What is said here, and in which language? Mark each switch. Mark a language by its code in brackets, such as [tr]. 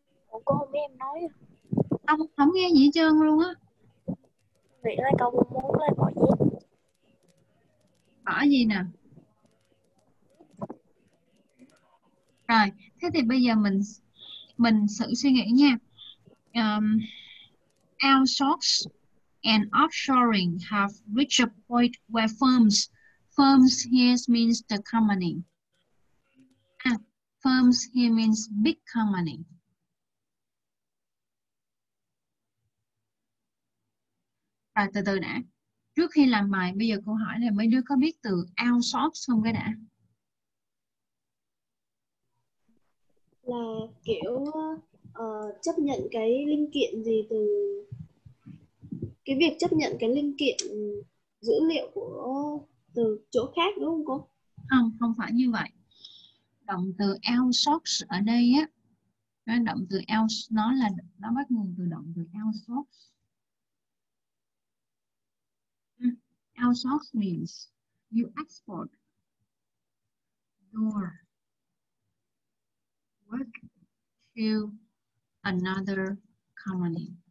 [vi] Cô không biết em Không nghe gì hết trơn luôn á. vậy là cậu muốn lên bỏ gì? Bỏ gì nè. Rồi, thế thì bây giờ mình thử suy nghĩ nha. [en] Outsource and offshoring have reached a point where firms here means the company. Firms here means big company. [vi] Rồi, từ từ đã. Trước khi làm bài, bây giờ câu hỏi này mấy đứa có biết từ outsource không cái đã? Là kiểu chấp nhận cái linh kiện gì từ cái việc chấp nhận cái linh kiện dữ liệu của từ chỗ khác đúng không cô? Không phải như vậy. Động từ outsource ở đây á, nó động từ else, nó bắt nguồn từ động từ outsource. [en] Outsource means you export your work to another company.